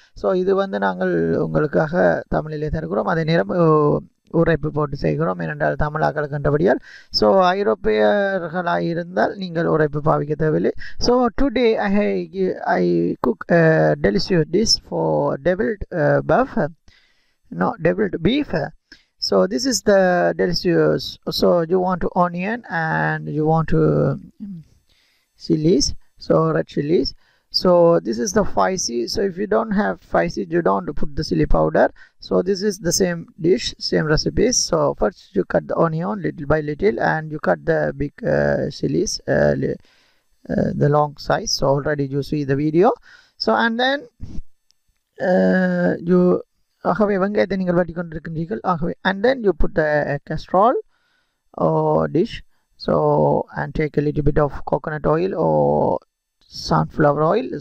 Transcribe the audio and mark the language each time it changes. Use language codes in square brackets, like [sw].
[ta] So இது வந்து நாங்கள் உங்களுக்காக தமிழிலே தருகிறோம். அதே நேரம் உரைப்பு போட்டு செய்கிறோம், ஏனென்றால் தமிழாக்கள் கண்டபடியால். ஸோ ஐரோப்பியர்களாயிருந்தால் நீங்கள் உரைப்பு பாவிக்க தேவையில்லை. [en] So today I cook delicious dish for devilled puff, no devilled beef. So this is the delicious. So you want onion and you want chilies, so red chilies. So this is the feisi. So if you don't have feisi, you don't put the chili powder. So this is the same dish, same recipe. So first you cut the onion little by little, and you cut the big chilies, the long size. So already you see the video. So and then you [ta] ஆகவே வெங்காயத்தை நீங்கள் வெட்டி கொண்டிருக்கின்றீர்கள். [en] ஆகவே and then you put casserole or dish. So and take a little bit of coconut oil or sunflower oil.